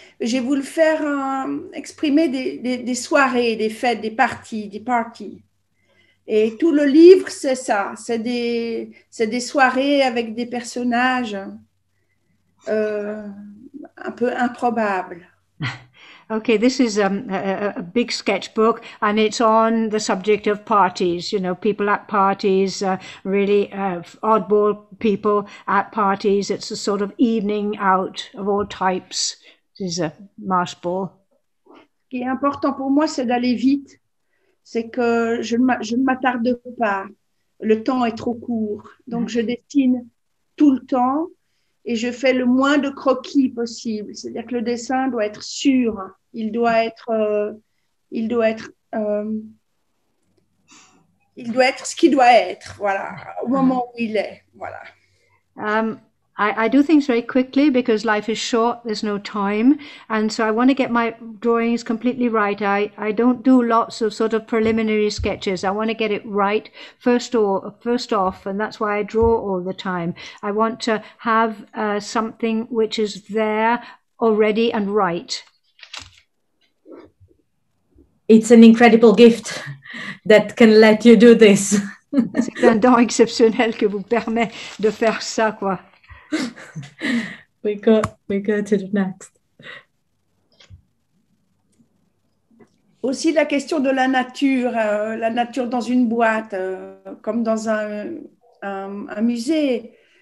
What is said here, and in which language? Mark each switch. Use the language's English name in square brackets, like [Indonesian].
[French] J'ai voulu faire exprimer des soirées, des fêtes, des parties. Et tout le livre, c'est ça. C'est des soirées avec des personnages un peu improbables. [English] Okay, this is a big sketchbook, and it's on the subject of parties. You know, people at parties, really oddball people at parties. It's a sort of evening out of all types. This is a mash ball. [French] Ce qui est important pour moi, c'est d'aller vite. C'est que je ne m'attarde pas. Le temps est trop court. Donc, je dessine tout le temps et je fais le moins de croquis possible. C'est-à-dire que le dessin doit être sûr. Il doit être ce qu'il doit être, voilà, au moment où il est, voilà. [English] I do things very quickly because life is short, there's no time, and so I want to get my drawings completely right. I don't do lots of sort of preliminary sketches. I want to get it right first off, and that's why I draw all the time. I want to have something which is there already and right. It's an incredible gift that can let you do this. [French] C'est un don exceptionnel que vous permet de faire ça, quoi. [English] We go to the next. [French] Aussi la question de la nature dans une boîte, comme dans un musée.